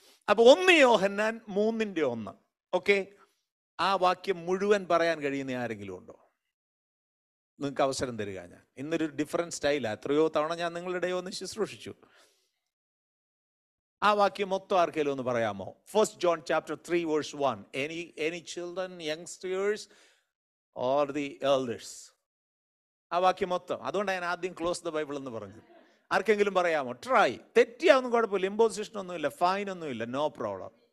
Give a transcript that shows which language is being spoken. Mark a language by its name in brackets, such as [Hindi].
[Malayalam] അപ്പോൾ 1 യോഹന്നാൻ 3:1 ഓക്കെ. ആ വാക്യം മുഴുവൻ പറയാൻ കഴിയുന്ന ആരെങ്കിലും ഉണ്ടോ? നിങ്ങൾക്ക് അവസരം തരിക. ഞാൻ ഇന്നൊരു ഡിഫറൻറ്റ് സ്റ്റൈലാണ്, എത്രയോ തവണ ഞാൻ നിങ്ങളുടെ ഒന്ന് ശുശ്രൂഷിച്ചു. ആ വാക്യം മൊത്തം ആർക്കെങ്കിലും ഒന്ന് പറയാമോ? [English] 1 John 3:1. Any children, youngsters or the elders? [Malayalam] ആ വാക്യം മൊത്തം. അതുകൊണ്ടാണ് ഞാൻ ആദ്യം [English] close the Bible [Malayalam] എന്ന് പറഞ്ഞു. ആർക്കെങ്കിലും പറയാമോ? ട്രൈ. തെറ്റിയാവുന്ന കുഴപ്പമില്ല, ഇമ്പോസിഷൻ ഒന്നുമില്ല, ഫൈൻ ഒന്നുമില്ല, നോ പ്രോബ്ലം.